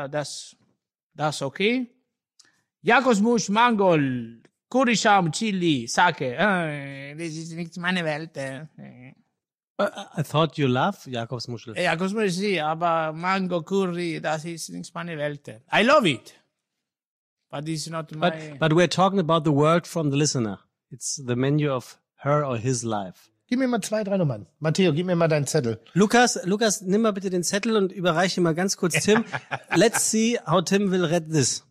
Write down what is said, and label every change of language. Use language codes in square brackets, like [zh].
[de] Das okay. Jakobsmus, Mangold, Curryscham, Chili, Sake. Das ist nicht meine Welt. [en] I thought you love Jakobsmuschel. [de] Jakobsmuschel, sí, aber Mango, Curry, das ist nicht meine Welt. [en] I love it. But it's not my... But we're talking about the word from the listener. It's the menu of her or his life. [de] Gib mir mal zwei, drei Nummern. Matteo, gib mir mal deinen Zettel. Lukas, nimm mal bitte den Zettel und überreiche ihn mal ganz kurz Tim. [en] Let's see how Tim will read this.